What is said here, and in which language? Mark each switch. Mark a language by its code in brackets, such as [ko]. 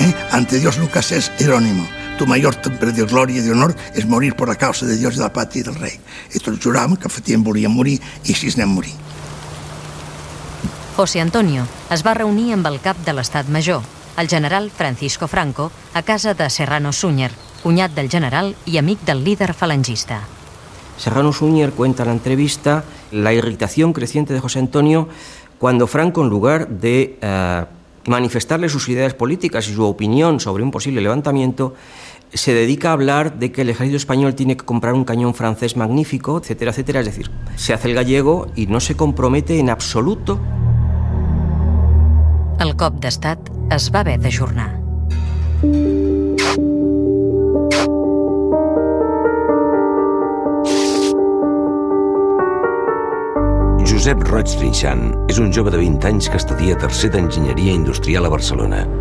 [es] Ante Dios nunca seas erónimo. Tu mayor temple de gloria y de honor es morir por la causa de Dios y de la patria y del rey. [ca] I tots juràvem que efectivament volíem morir i així anem a morir. José Antonio es va reunir amb el cap de l'Estat Major, el general Francisco Franco, a casa de Serrano Súñer, cunyat del general i amic del líder falangista. [es] Serrano Súñer cuenta la entrevista la irritación creciente de José Antonio cuando Franco, en lugar de manifestarle sus ideas políticas y su opinión sobre un posible levantamiento, se dedica a hablar de que el ejército español tiene que comprar un cañón francés magnífico, etcétera, etcétera. Es decir, se hace el gallego y no se compromete en absoluto. [ca] El cop d'estat es va haver d'ajornar. Josep Roig Trinxan és un jove de 20 anys que estudia tercer d'enginyeria industrial a Barcelona.